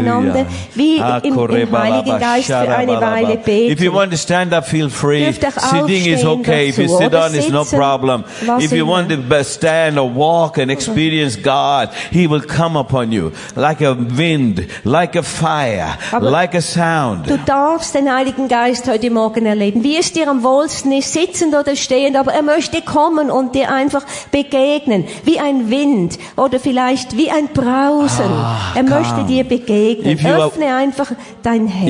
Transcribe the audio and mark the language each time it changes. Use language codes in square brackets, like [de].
[de] Miteinander wie im Heiligen Geist für eine Weile beten. [en] If you want to stand up, feel free. Sitting is okay. [de] Dazu, [en] if you sit down, it's no problem. If you [de] immer. [en] Want to stand or walk and experience God, he will come upon you like a wind, like a fire, [de] aber [en] like a sound. [de] Du darfst den Heiligen Geist heute Morgen erleben. Wie es dir am wohlsten ist, sitzend oder stehend, aber er möchte kommen und dir einfach begegnen. Wie ein Wind oder vielleicht wie ein Brausen. Ah. Er möchte dir begegnen. Öffne einfach dein Herz.